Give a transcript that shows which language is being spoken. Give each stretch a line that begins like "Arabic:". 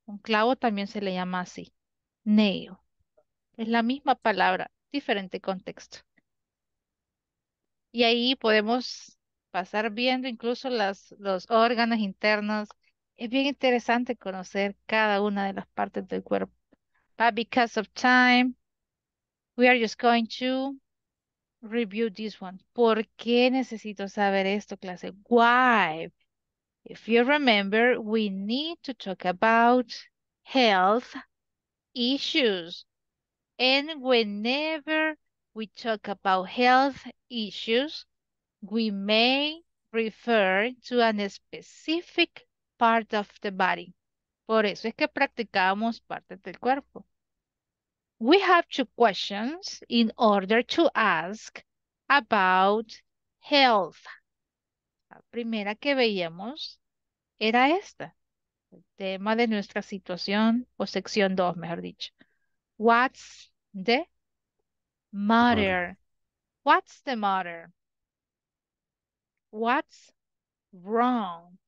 Spanish: Un clavo también se le llama así. Nail. Es la misma palabra, diferente contexto. Y ahí podemos pasar viendo incluso los órganos internos. Es bien interesante conocer cada una de las partes del cuerpo.
English: But because of time, we are just going to review this one.
Spanish: ¿Por qué necesito saber esto, clase?
English: Why? If you remember, we need to talk about health issues. And whenever we talk about health issues, we may refer to a specific part of the body.
Spanish: Por eso es que practicamos partes del cuerpo.
English: We have two questions in order to ask about health.
Spanish: La primera que veíamos era esta. El tema de nuestra situación, o sección 2, mejor dicho.
English: What's the matter? What's the matter? What's wrong?